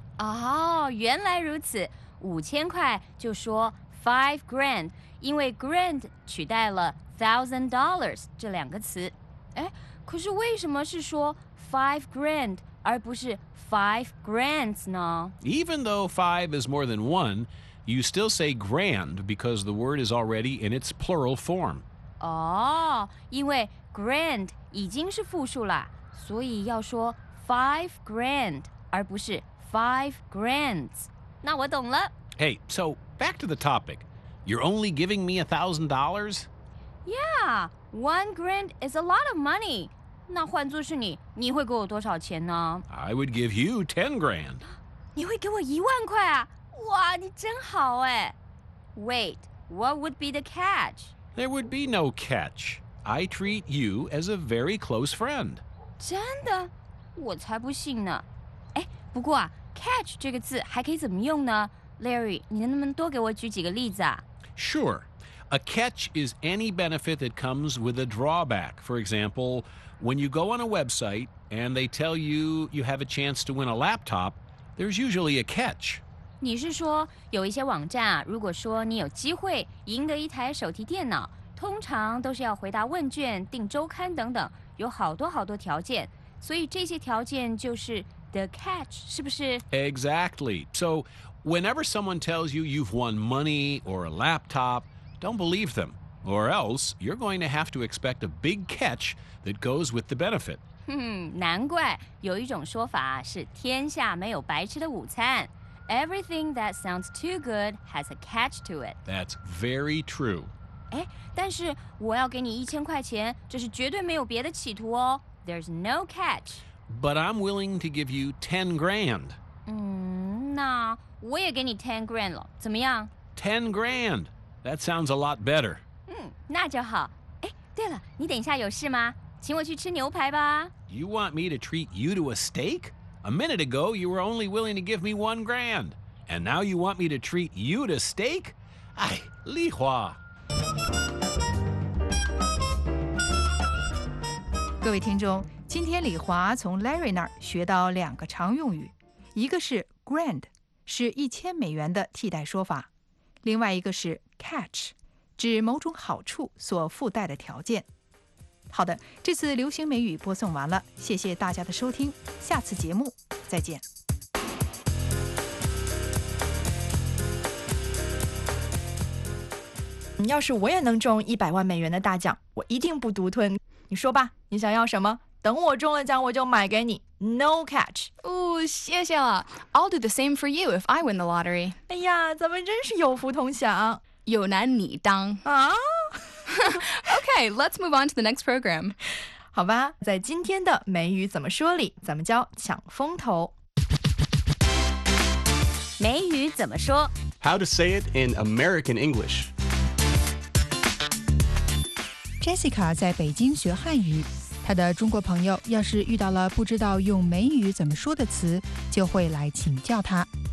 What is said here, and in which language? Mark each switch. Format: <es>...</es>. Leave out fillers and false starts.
<zh>哦、oh, ，原来如此，5,000块就说 $5,000， 因为 grand 取代了 $1,000 这两个词。哎，可是为什么是说 $5,000 而不是 $5,000 呢？</zh> <en>Even though five is more than one, You still say grand because the word is already in its plural form.</en> <zh>Oh, 因为 grand 已经是复数了，所以要说 five grand 而不是 five grands. 那我懂了。</zh> <en>Hey, so back to the topic. You're only giving me $1,000? Yeah, one grand is a lot of money.</en> <zh>那换作是你，你会给我多少钱呢？</zh> <en>I would give you 10 grand.</en> <zh>你会给我10,000块啊？哇，你真好哎。</zh> <en>Wait, what would be the catch? There would be no catch. I treat you as a very close friend.</en> <zh>真的？我才不信呢。哎，不过啊 ,catch 这个字还可以怎么用呢？ Larry, 你能不能多给我举几个例子啊？</zh> <en>Sure. A catch is any benefit that comes with a drawback. For example, when you go on a website and they tell you you have a chance to win a laptop, there's usually a catch.</en> <zh>你是说有一些网站啊，如果说你有机会赢得一台手提电脑，通常都是要回答问卷、订周刊等等，有好多好多条件，所以这些条件就是 the catch， 是不是？</zh> <en>Exactly. So whenever someone tells you you've won money or a laptop, don't believe them, or else you're going to have to expect a big catch that goes with the benefit.</en> <zh>难怪有一种说法是天下没有白吃的午餐。</zh> <en>Everything that sounds too good has a catch to it. That's very true.</en> <zh>哎，但是我要给你1,000块钱，这是绝对没有别的企图哦。</zh> <en>There's no catch. But I'm willing to give you 10 grand.</en> <zh>那我也给你10 grand 了，怎么样？</zh> <en>10 grand. That sounds a lot better.</en> <zh>那就好。哎，对了，你等一下有事吗？请我去吃牛排吧。</zh> <en>You want me to treat you to a steak? A minute ago, you were only willing to give me 1 grand. And now you want me to treat you to steak? Ay, Li Hua.</en> <zh>各位听众，今天李华从 Larry 那儿学到两个常用语。一个是 grand, 是1,000美元的替代说法。另外一个是 catch, 指某种好处所附带的条件。好的，这次流行美语播送完了，谢谢大家的收听，下次节目再见。要是我也能中100万美元的大奖，我一定不独吞。你说吧，你想要什么？等我中了奖，我就买给你。</zh> <en>No catch.</en> <zh>哦，谢谢了。</zh> <en>I'll do the same for you if I win the lottery.</en> <zh>哎呀，咱们真是有福同享。有难你当。啊？</zh> <en>Okay, let's move on to the next program.</en> <zh>好吧，在今天的美语怎么说里，咱们教抢风头。美语怎么说？</zh> <en>How to say it in American English.</en> <zh>Jessica 在北京学汉语，她的中国朋友要是遇到了不知道用美语怎么说的词，就会来请教她。</zh>